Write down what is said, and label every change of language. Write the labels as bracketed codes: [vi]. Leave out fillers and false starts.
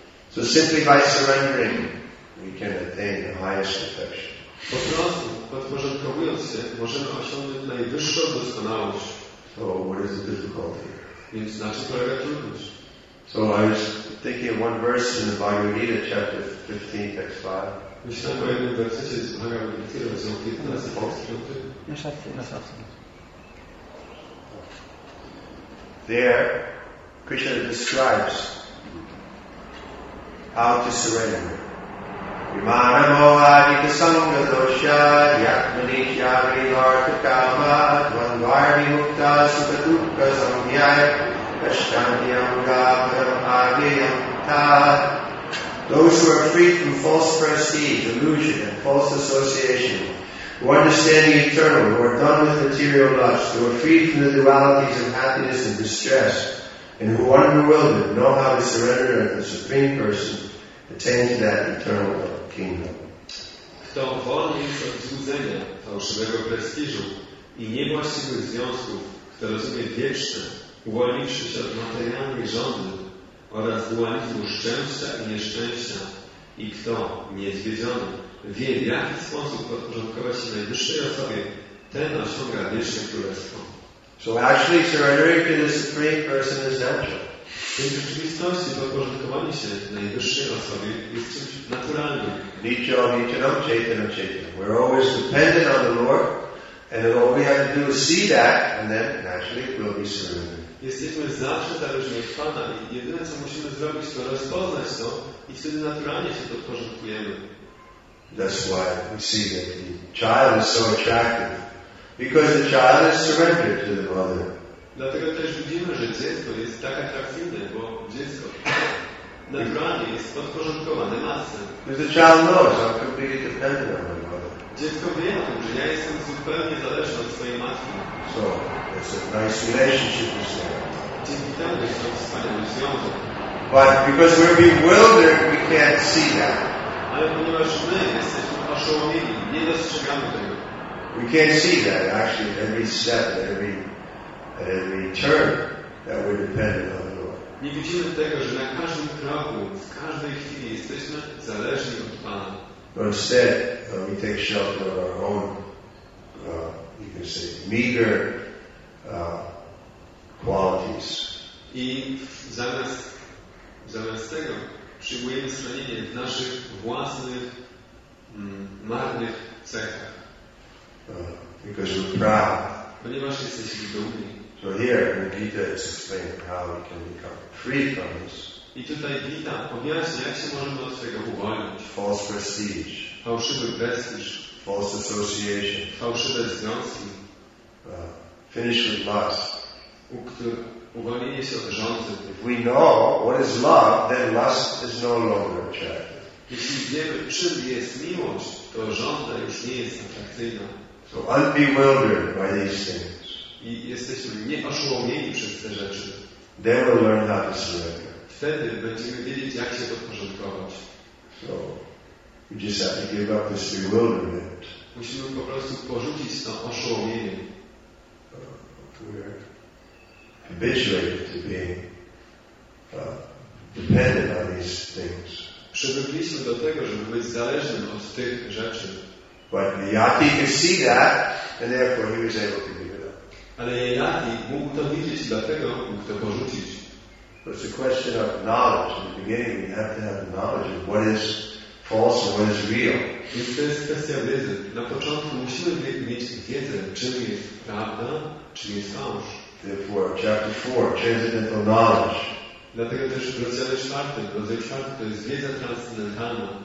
[en] So simply by surrendering, we can attain the highest perfection. [pl] Po prostu, podporządkowując się, możemy osiągnąć najwyższą doskonałość. [en] So what is the difficulty? [pl] Więc na czym polega trudność? [en] So I was thinking of one verse in the Bhagavad Gita, chapter 15, text 5. [pl] Myślałem o jednym wersecie z Bhagavad Gita, rozdział 15, tekst 5. [en] There, Krishna describes how to surrender. [sa] Vimanamo adhika sanga dosha yatmani jyari vartha kama dvandvarni mukta sukha dukkha samyaya [en] Those who are free from false prestige, illusion, and false association, who understand the eternal, who are done with material lust, who are free from the dualities of happiness and distress, and who, unbewildered, know how to surrender to the Supreme Person, attain to that eternal kingdom. [pl] Kto wolny jest od złudzenia, fałszywego prestiżu i niewłaściwych związków, kto rozumie wieczne, uwolniwszy się od materialnych rządów oraz dualizmu szczęścia i nieszczęścia i kto, niezwiedziony, wie, w jaki sposób podporządkować się najwyższej osobie, ten osiąga wieczne królestwo. [en] So actually surrendering to the Supreme Person is natural. [pl] Więc w rzeczywistości podporządkowanie się najwyższej osobie jest czymś naturalnym. [sa] Nicho, nichanam, chaitanam, chaitanam. [en] We're always dependent on the Lord and all we have to do is see that and then naturally it will be surrendered. [pl] Jesteśmy zawsze zależni od Pana i jedyne, co musimy zrobić, to rozpoznać to i wtedy naturalnie się podporządkujemy. [en] That's why we see that the child is so attractive. Because the child is surrendered to the mother. [pl] Dlatego też widzimy, że dziecko jest tak atrakcyjne, bo dziecko naturalnie jest podporządkowane matce. [en] Because the child knows I'm completely dependent on the mother. [pl] Dziecko wie o tym, że ja jestem zupełnie zależny od swojej matki. [en] So, it's a nice relationship to say. [pl] Dzięki temu jest to wspaniały związek. [en] But because we're bewildered, we can't see that. [pl] Ale ponieważ my jesteśmy oszołomieni, nie dostrzegamy tego. [en] We can't see that, actually, every step, every turn that we're dependent on the Lord. [pl] Nie widzimy tego, że na każdym kroku, w każdej chwili jesteśmy zależni od Pana. [en] But instead, we take shelter of our own, you can say, meager qualities. [pl] I zamiast tego, potrzebujemy schronienia w naszych własnych marnych cechach. [en] Because we're proud. [pl] Ponieważ jesteśmy dumni. [en] So here in the Gita it's explained how we can become free from this. [pl] I tutaj Gita objaśnia, jak się możemy od tego uwolnić. [en] False prestige. [pl] Fałszywy prestiż. [en] False association. [pl] Fałszywe związki. [en] Finish with lust. [pl] Uwolnienie się od żądzy. [en] If we know what is love, then lust is no longer attractive. [pl] Jeśli wiemy, czym jest miłość, to żądza już nie jest atrakcyjna. [en] So unbewildered by these things. [pl] I jesteśmy nieoszołomieni przez te rzeczy. [en] Then we learn how to surrender. [pl] Wtedy będziemy wiedzieć, jak się podporządkować. [en] So, we just have to give up this bewilderment. [pl] Musimy po prostu porzucić to oszołomienie. [en] Habituated to being dependent on these things. [pl] Przywykliśmy do tego, żeby być zależnym od tych rzeczy. [en] But Yati could see that, and therefore he was able to give it up. [pl] Ale Yati mógł to widzieć, dlatego mógł to porzucić. [en] But it's a question of knowledge. In the beginning, we have to have knowledge of what is false and what is real. [pl] Więc to jest kwestia wiedzy. Na początku musimy mieć wiedzę, czym jest prawda, czym jest fałsz. [en] Therefore, chapter 4, transcendental knowledge. [pl] Dlatego też w rozdziale 4, to jest wiedza transcendentalna.